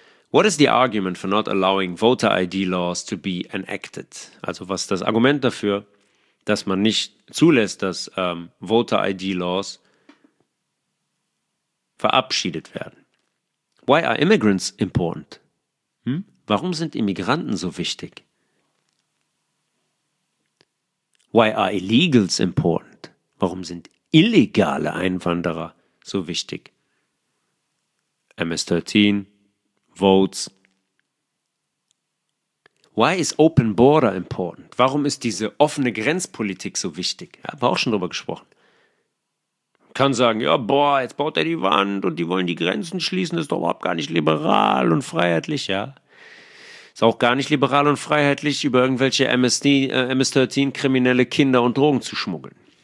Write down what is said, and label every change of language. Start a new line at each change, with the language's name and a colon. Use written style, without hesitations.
English: What is the argument for not allowing voter ID laws to be enacted?
German: Also was ist das Argument dafür, dass man nicht zulässt, dass
English: voter ID laws
German: verabschiedet werden.
English: Why are immigrants important?
German: Warum sind Immigranten so wichtig?
English: Why are illegals important?
German: Warum sind illegale Einwanderer so wichtig?
English: MS-13, Votes. Why is open border important?
German: Warum ist diese offene Grenzpolitik so wichtig? Ja, haben wir auch schon drüber gesprochen. Kann sagen, ja, boah, jetzt baut er die Wand und die wollen die Grenzen schließen, das ist doch überhaupt gar nicht liberal und freiheitlich, ja. Ist auch gar nicht liberal und freiheitlich, über irgendwelche MS-13-kriminelle Kinder und Drogen zu schmuggeln.